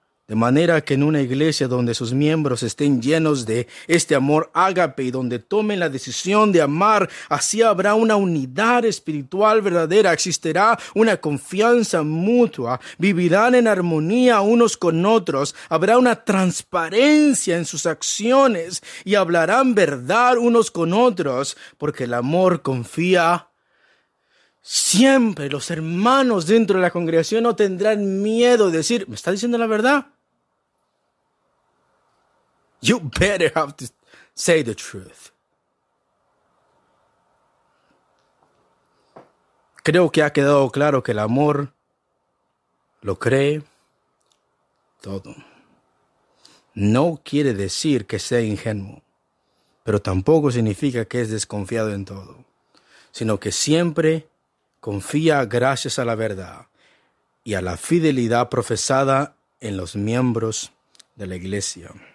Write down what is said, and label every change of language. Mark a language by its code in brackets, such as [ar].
[es] De manera que en una iglesia donde sus miembros estén llenos de este amor ágape y donde tomen la decisión de amar, así habrá una unidad espiritual verdadera, existirá una confianza mutua, vivirán en armonía unos con otros, habrá una transparencia en sus acciones y hablarán verdad unos con otros, porque el amor confía siempre. Los hermanos dentro de la congregación no tendrán miedo de decir, ¿me está diciendo la verdad? [en] You better have to say the truth. [es] Creo que ha quedado claro que el amor lo cree todo. No quiere decir que sea ingenuo, pero tampoco significa que es desconfiado en todo, sino que siempre confía gracias a la verdad y a la fidelidad profesada en los miembros de la iglesia.